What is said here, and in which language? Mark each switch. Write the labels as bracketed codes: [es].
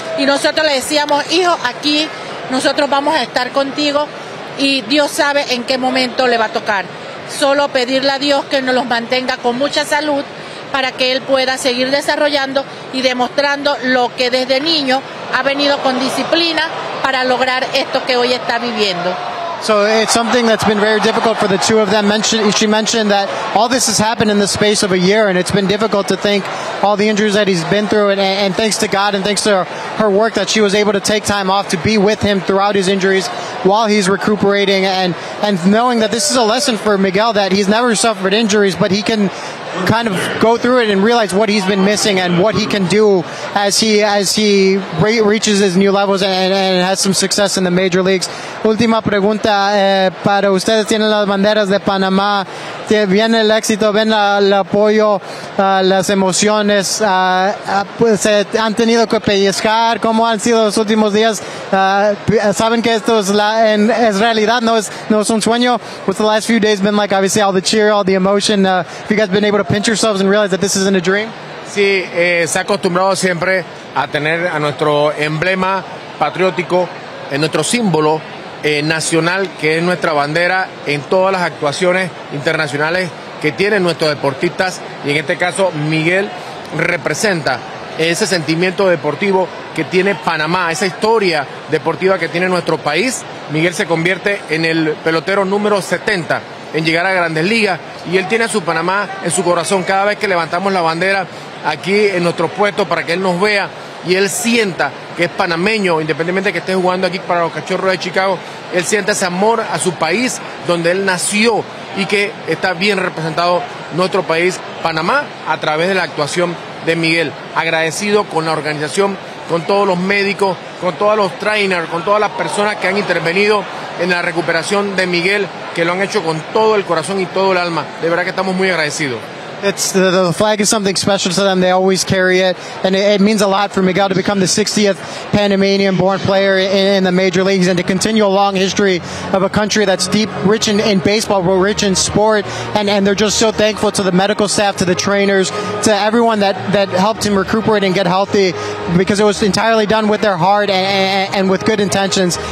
[es] Y nosotros le decíamos, hijo, aquí nosotros vamos a estar contigo, y Dios sabe en qué momento le va a tocar. Solo pedirle a Dios que nos los mantenga con mucha salud para que él pueda seguir desarrollando y demostrando lo que desde niño ha venido con disciplina para lograr esto que hoy está viviendo. [en] So it's something that's been very difficult for the two of them. She mentioned that all this has happened in the space of a year, and it's been difficult to think all the injuries that he's been through. And thanks to God and thanks to her work that she was able to take time off to be with him throughout his injuries while he's recuperating. And knowing that this is a lesson for Miguel, that he's never suffered injuries, but he can kind of go through it and realize what he's been missing and what he can do as he reaches his new levels and has some success in the major leagues. [es] Última pregunta, para ustedes, tienen las banderas de Panamá, viene el éxito, ven el apoyo, las emociones, pues, ¿se han tenido que pellizcar? ¿Cómo han sido los últimos días? Saben que esto es es realidad, no es un sueño. [en] What's the last few days been like? Obviously all the cheer, all the emotion, have you guys been able to pinch yourselves and realize that this isn't a dream? [es] Sí, se ha acostumbrado siempre a tener a nuestro emblema patriótico, en nuestro símbolo nacional, que es nuestra bandera, en todas las actuaciones internacionales que tienen nuestros deportistas, y en este caso Miguel representa ese sentimiento deportivo que tiene Panamá, esa historia deportiva que tiene nuestro país. Miguel se convierte en el pelotero número 70 en llegar a Grandes Ligas, y él tiene a su Panamá en su corazón cada vez que levantamos la bandera aquí en nuestro puesto, para que él nos vea y él sienta que es panameño, independientemente de que esté jugando aquí para los Cachorros de Chicago. Él siente ese amor a su país, donde él nació, y que está bien representado nuestro país, Panamá, a través de la actuación de Miguel. Agradecido con la organización, con todos los médicos, con todos los trainers, con todas las personas que han intervenido en la recuperación de Miguel, que lo han hecho con todo el corazón y todo el alma. De verdad que estamos muy agradecidos. [en] It's the flag is something special to them. They always carry it, and it means a lot for Miguel to become the 60th Panamanian born player in the major leagues, and to continue a long history of a country that's deep, rich in baseball, rich in sport. And they're just so thankful to the medical staff, to the trainers, to everyone that helped him recuperate and get healthy, because it was entirely done with their heart and with good intentions.